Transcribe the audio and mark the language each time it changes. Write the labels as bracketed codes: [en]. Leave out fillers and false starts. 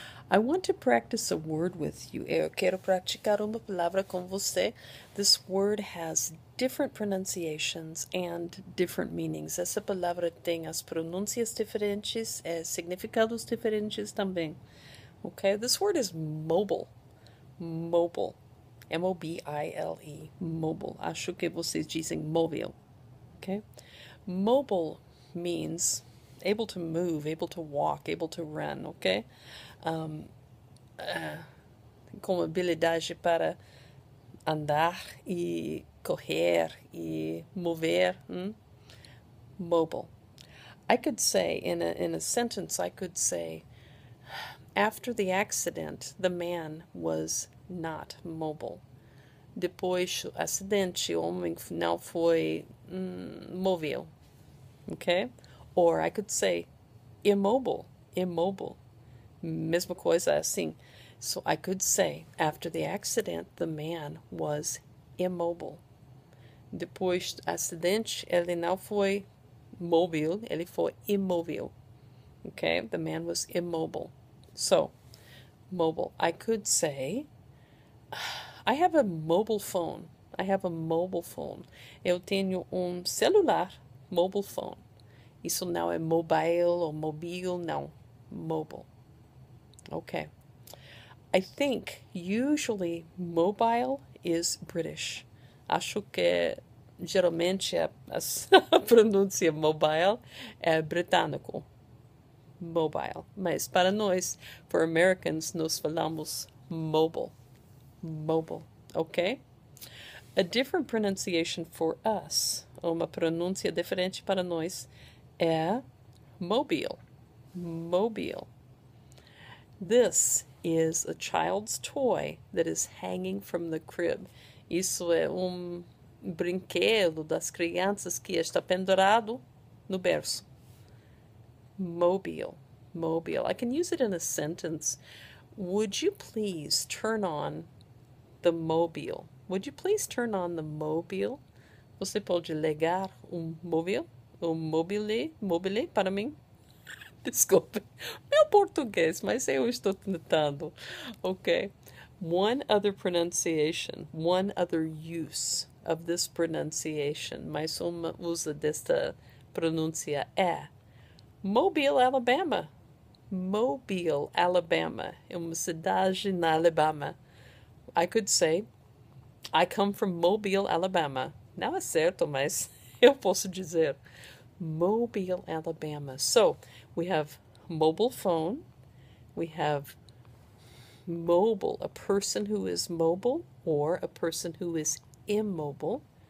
[en] I want to practice a word with you. [pt] Eu quero praticar uma palavra com você. [en] This word has different pronunciations and different meanings. [pt] Essa palavra tem as pronúncias diferentes, significados diferentes também. [en] Okay, this word is mobile. Mobile. M-O-B-I-L-E. Mobile. [pt] Acho que vocês dizem móvel. [en] Okay? Mobile means able to move, able to walk, able to run, okay? [pt] Com habilidade para andar e correr e mover. [en] Mobile. I could say, in a sentence, I could say, after the accident, the man was not mobile. [pt] Depois do acidente, o homem não foi móvel. [en] Okay? Or I could say, immobile, immobile. [pt] Mesma coisa, assim. [en] So I could say, after the accident, the man was immobile. [pt] Depois do acidente, ele não foi móvel, ele foi imóvel. [en] Okay? The man was immobile. So, mobile. I could say, I have a mobile phone. I have a mobile phone. [pt] Eu tenho celular, [en] mobile phone. [pt] Isso não é mobile or mobile, não. Mobile. Okay. [en] I think usually mobile is British. [pt] Acho que geralmente a pronúncia mobile é britânico. Mobile. Mas para nós, [en] for Americans, [pt] nós falamos mobile. Mobile. Okay? [en] A different pronunciation for us, [pt] uma pronúncia diferente para nós, é mobile. [en] Mobile. This is a child's toy that is hanging from the crib. [pt] Isso é brinquedo das crianças que está pendurado no berço. [en] Mobile. Mobile. I can use it in a sentence. Would you please turn on the mobile? Would you please turn on the mobile? [pt] Você pode ligar mobile? Mobile, mobile para mim. Desculpe. Meu português, mas eu estou tentando. Okay. [en] One other pronunciation. One other use of this pronunciation. [pt] Mais uma usa desta pronúncia é Mobile, Alabama. Mobile, Alabama. É uma cidade na Alabama. [en] I could say, I come from Mobile, Alabama. [pt] Não é certo, mas eu posso dizer Mobile, Alabama. [en] So, we have mobile phone. We have mobile, a person who is mobile or a person who is immobile.